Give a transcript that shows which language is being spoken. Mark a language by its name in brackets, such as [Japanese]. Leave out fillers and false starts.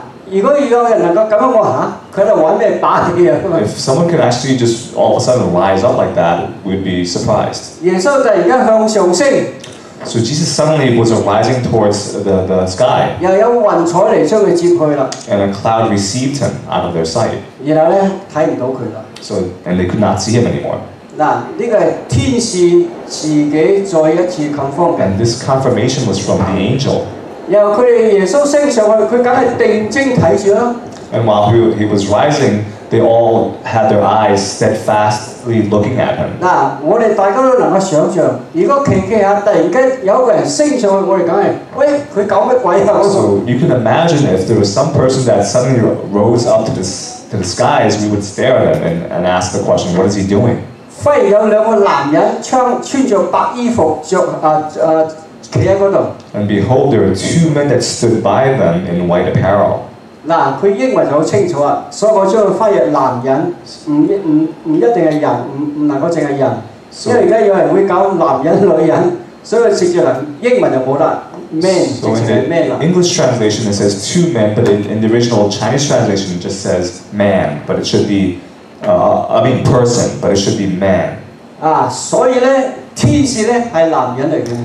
[Cantonese] 如果有人能够这样话，他在找什么把柄？ [English] If someone could actually just all of a sudden rise up like that, we'd be surprised. [Cantonese] 耶稣突然间向上升。 [English] So Jesus suddenly was rising towards the sky. [Cantonese] 又有云彩来将他接去了。 [English] And a cloud received him out of their sight. [Cantonese] 然后呢，睇唔到佢了。 [English] So and they could not see him anymore. [Cantonese] 嗱，这个天使自己再一次confirm。 [English] And this confirmation was from the angel. [Cantonese] 然後耶穌升上去，佢梗係定睛睇住啦。 [English] And while he was rising, they all had their eyes steadfastly looking at him. [Cantonese] 嗱，我哋大家都能夠想象，如果奇蹟啊，突然間有個人升上去，我哋講嘅，喂，佢搞乜鬼啊 [English] ？So you can imagine if there was some person that suddenly rose up to the skies, we would stare at him and ask the question, what is he doing? [Cantonese] 忽然有兩個男人穿著白衣服，企喺嗰度。 [English] And behold, there are two men that stood by them in white apparel. [Cantonese] 嗱，佢英文就好清楚啊，所以我將佢翻譯男人，唔一定係人，唔能夠淨係人， so, 因為而家有人會搞男人女人，所以直接嚟英文就冇得 man， 直接係 man 啦。 [English] English translation it says two men, but in the original Chinese translation it just says man, but it should be, person, but it should be man。 [Cantonese] 啊，所以咧，天使咧係男人嚟嘅。